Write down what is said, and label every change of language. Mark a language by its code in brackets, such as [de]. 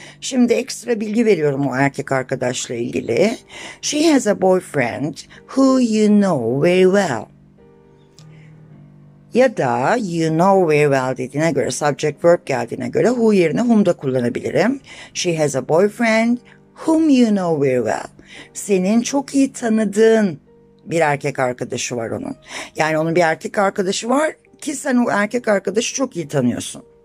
[tr] Şimdi ekstra bilgi veriyorum o erkek arkadaşla ilgili. [en] She has a boyfriend who you know very well. [tr] Ya da [en] you know very well [tr] dediğine göre, subject verb geldiğine göre who yerine whom da kullanabilirim. [en] She has a boyfriend whom you know very well. [tr] Senin çok iyi tanıdığın bir erkek arkadaşı var onun. Yani onun bir erkek arkadaşı var ki sen o erkek arkadaşı çok iyi tanıyorsun.